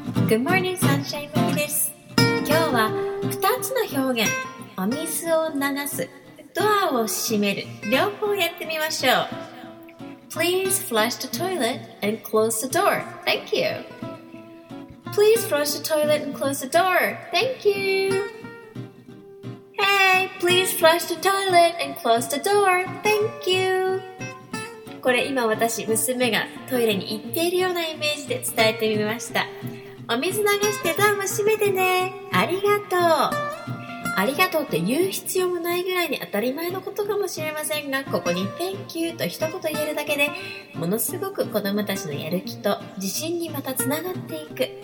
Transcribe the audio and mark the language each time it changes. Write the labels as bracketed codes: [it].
[en] Good morning, [ja] Sunshine Mimi です。今日は2つの表現、お水を流す、ドアを閉める、両方やってみましょう。 [en] Please flush the toilet and close the door. Thank you. Please flush the toilet and close the door. Thank you. Hey, please flush the toilet and close the door. Thank you. [ja] これ今私、娘がトイレに行っているようなイメージで伝えてみました。お水流してドアも閉めてね。ありがとう。ありがとうって言う必要もないぐらいに当たり前のことかもしれませんが、ここに [en] Thank you [ja] と一言言えるだけで、ものすごく子どもたちのやる気と自信にまたつながっていく。